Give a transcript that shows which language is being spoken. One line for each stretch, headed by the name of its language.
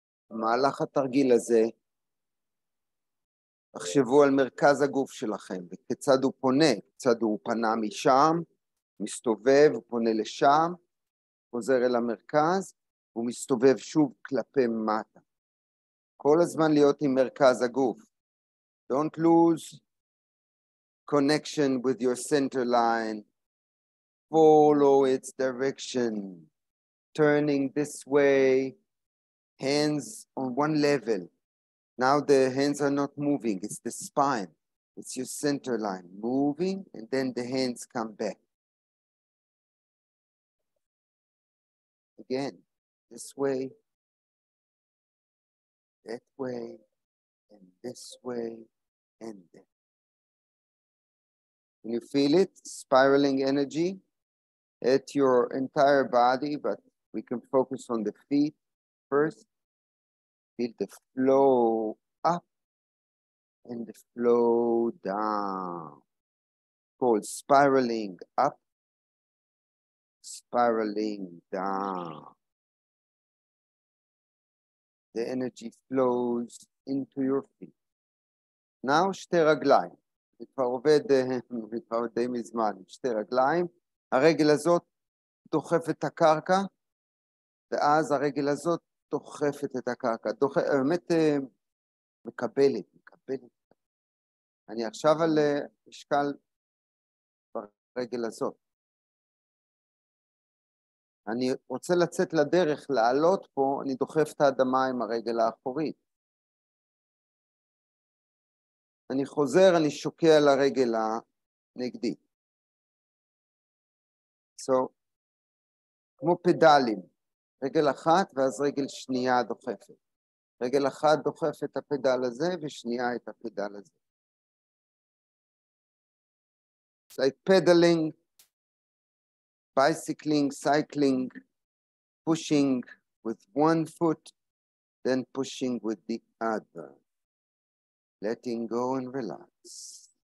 Hebrew: במהלך התרגיל הזה, תחשבו על מרכז הגוף שלכם, וכיצד הוא פונה, כיצד הוא פנה משם, מסתובב, הוא פונה לשם, חוזר אל המרכז, הוא מסתובב שוב כלפי מטה. כל הזמן להיות עם מרכז הגוף.
English: Don't lose connection with your center line. Follow its direction. Turning this way. Hands on one level. Now the hands are not moving. It's the spine. It's your center line moving, and then the hands come back. Again, this way, that way, and this way, and then. Can you feel it? Spiraling energy at your entire body, but we can focus on the feet first. Feel the flow up and the flow down. Called spiraling up, spiraling down. The energy flows into your feet.
Hebrew: Now, שתי רגליים. זה כבר עובד, כבר די מזמן. שתי רגליים. הרגל הזאת דוחפת את הקרקע, ואז הרגל הזאת דוחפת את הקרקע, באמת מקבלת. אני עכשיו על משקל ברגל הזאת. אני רוצה לצאת לדרך, לעלות פה, אני דוחף את האדמה עם הרגל האחורית. אני חוזר, אני שוקע לרגל הנגדי. So, כמו פדלים. רגל אחת ואז רגל שנייה דוחפת. רגל אחת דוחפת את הפדל הזה ושנייה את הפדל הזה.
English: It's like pedaling, bicycling, cycling, pushing with one foot, then pushing with the other. Letting go and relax.